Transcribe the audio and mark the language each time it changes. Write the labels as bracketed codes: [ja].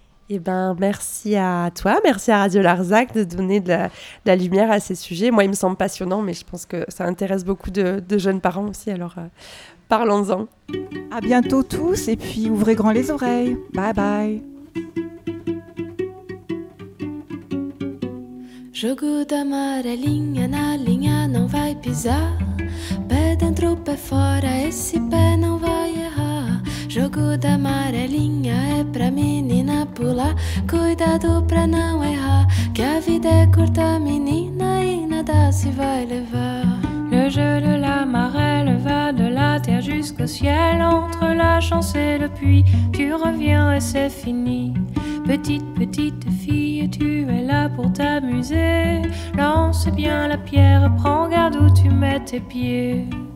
[fr] Eh ben, merci à toi, merci à Radio Larzac de donner de la lumière à ces sujets. Moi, ils me semblent passionnants, mais je pense que ça intéresse beaucoup de jeunes parents aussi. Alors, parlons-en. À bientôt tous, et puis ouvrez grand les oreilles. Bye bye. [pt] Jogo d'amore, linha na linha, não vai pisar. Pé dentro, pé fora, esse pé não vai errar. Jogo da amarelinha é pra menina pular. Cuidado pra não errar, que a vida é curta, menina, e nada se vai levar. [fr] Le jeu de la marelle va de la terre jusqu'au ciel. Entre la chance et le puits, tu reviens et c'est fini. Petite, petite fille, tu es là pour t'amuser. Lance bien la pierre, prends garde où tu mets tes pieds.